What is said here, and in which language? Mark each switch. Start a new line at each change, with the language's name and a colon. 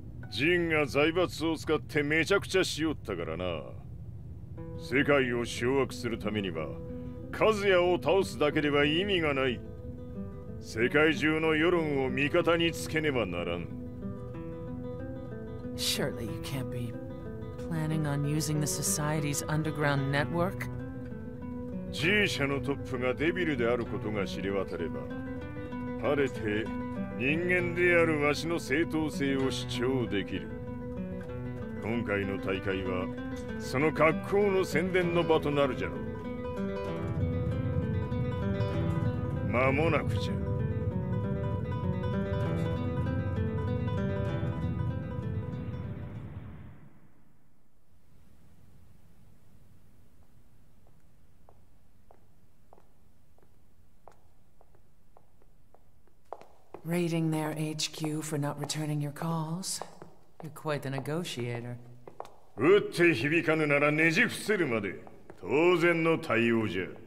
Japanese: Jin が財閥を使ってめちゃくちゃしよったからな。世界を掌握するためには、カズヤを倒すだけでは意味がない。世界中の世論を味方につけねばならん。
English: Surely you can't be planning on using the society's underground network?
Japanese: G 社のトップがデビルであることが知れ渡れば、晴れて人間であるわしの正当性を主張できる。今回の大会は、その格好の宣伝の場となるじゃろう。間もなくじゃ。
English: Raiding their HQ for not returning your calls. You're quite the negotiator.
Japanese: 撃って響かぬならねじ伏せるまで、当然の対応じゃ。